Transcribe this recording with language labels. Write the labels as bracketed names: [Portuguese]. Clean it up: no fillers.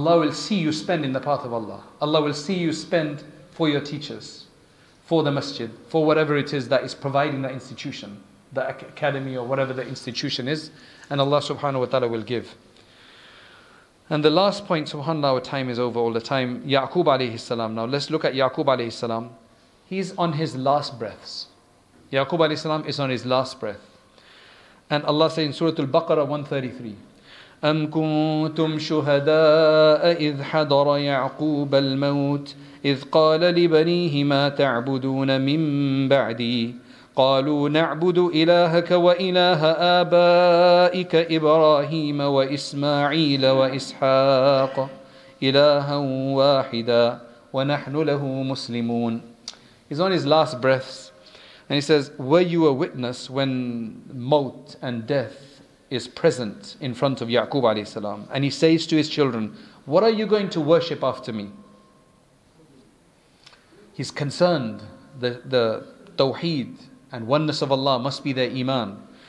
[English] Allah will see you spend in the path of Allah. Allah will see you spend for your teachers, for the masjid, for whatever it is that is providing that institution, the academy or whatever the institution is, and Allah subhanahu wa ta'ala will give. And the last point, subhanAllah, our time is over all the time. Ya'qub alayhi salam. Now let's look at Ya'qub alayhi salam. He's on his last breaths. Ya'qub alayhi salam is on his last breath. And Allah says in Surah Al-Baqarah 133, [Arabic] أَمْ كُنْتُمْ شُهَدَاءَ إِذْ حَضَرَ يَعْقُوبَ الْمَوْتِ إِذْ قَالَ لِبَنِيهِ مَا تَعْبُدُونَ مِنْ بَعْدِي قَالُوا نَعْبُدُ إِلَهَكَ وَإِلَهَ آبَائِكَ إِبْرَاهِيمَ وَإِسْمَاعِيلَ وَإِسْحَاقَ إِلَهًا وَاحِدًا وَنَحْنُ لَهُ مُسْلِمُونَ. [English] He's on his last breaths and he says, were you a witness when maut and death is present in front of Ya'qub alayhi salam? And he says to his children, what are you going to worship after me? He's concerned that the tawheed and oneness of Allah must be their iman.